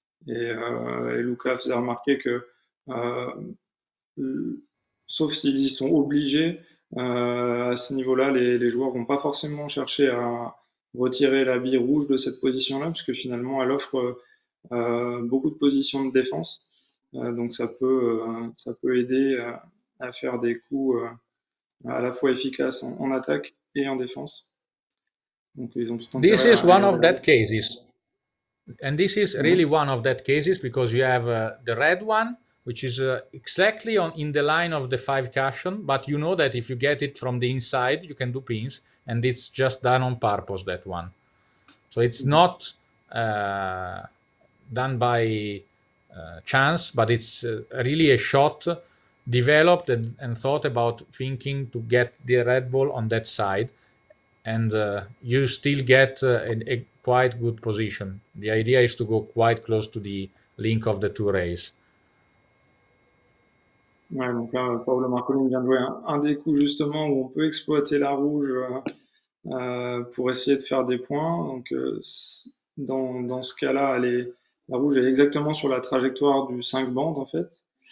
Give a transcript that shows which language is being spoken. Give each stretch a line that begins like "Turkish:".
French: Et Luca faisait remarquer que, sauf s'ils sont obligés, à ce niveau-là, les joueurs vont pas forcément chercher à retirer la bille rouge de cette position-là, parce que finalement, elle offre beaucoup de positions de défense. Donc ça peut aider à faire des coups à la fois efficaces en attaque et en défense. Donc ils ont tout intérêt.
English: This is one of that cases. And this is really one of that cases, because you have the red one, which is exactly in the line of the five cushion, but you know that if you get it from the inside, you can do pins, and it's just done on purpose, that one. So it's not done by chance, but it's really a shot developed and thought about, thinking to get the red ball on that side, and you still get a quite good position. The idea is to go quite close to the link of the two rays.
French: Ouais, donc là, Paolo Marcolin vient de jouer un des coups justement où on peut exploiter la rouge pour essayer de faire des points. Donc dans ce cas-là, la rouge est exactement sur la trajectoire du 5 bandes en fait.